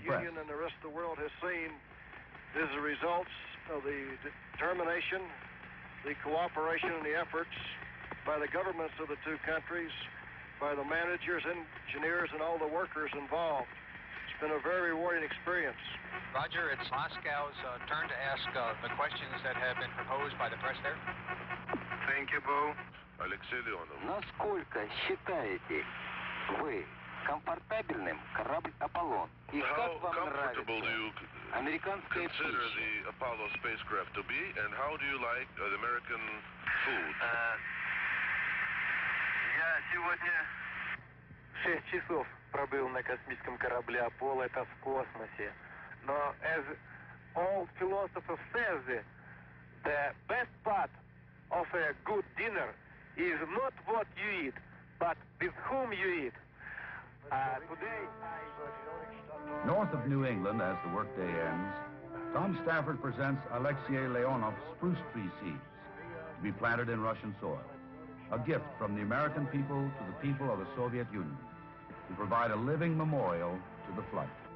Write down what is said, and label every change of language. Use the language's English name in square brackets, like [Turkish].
[English] The Soviet Union and the rest of the world has seen is the results of the determination, the cooperation, and the efforts by the governments of the two countries, by the managers, engineers, and all the workers involved. It's been a very rewarding experience. Roger, it's Moscow's turn to ask the questions that have been proposed by the press there. Thank you, Bo. Alexey Leonov. [Russian] Насколько считаете вы комфортабельным корабль Аполлон? И как вам нравится американская пища? [English] Consider the Apollo spacecraft to be, and how do you like the American food? [Russian] Я сегодня 6 часов пробыл на космическом корабле Аполло. Это в космосе. [English] Но, as all philosophers says, the best part of a good dinner is not what you eat, but with whom you eat. North of New England, as the workday ends, Tom Stafford presents Alexei Leonov spruce tree seeds to be planted in Russian soil, a gift from the American people to the people of the Soviet Union to provide a living memorial to the flight.